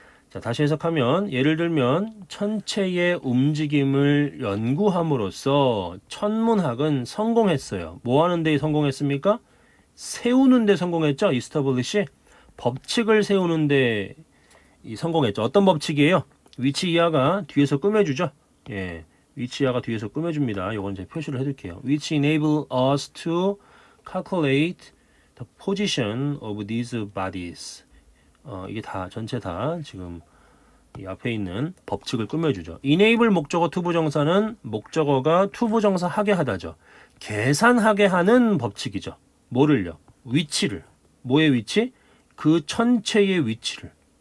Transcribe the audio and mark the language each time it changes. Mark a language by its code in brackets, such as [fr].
[ko] 자, 다시 해석하면, 예를 들면, 천체의 움직임을 연구함으로써 천문학은 성공했어요. 뭐 하는 데 성공했습니까? 세우는 데 성공했죠? establish. 법칙을 세우는 데 성공했죠. 어떤 법칙이에요? 위치 이하가 뒤에서 꾸며주죠? 예. 위치 이하가 뒤에서 꾸며줍니다. 요건 제가 표시를 해둘게요. [en] Which enable us to calculate the position of these bodies. [ko] 이게 다, 전체 다 지금 이 앞에 있는 법칙을 꾸며주죠. enable 목적어 to 부정사는 목적어가 to 부정사 하게 하다죠. 계산하게 하는 법칙이죠. 뭐를요? 위치를. 뭐의 위치? 그 천체의 위치를.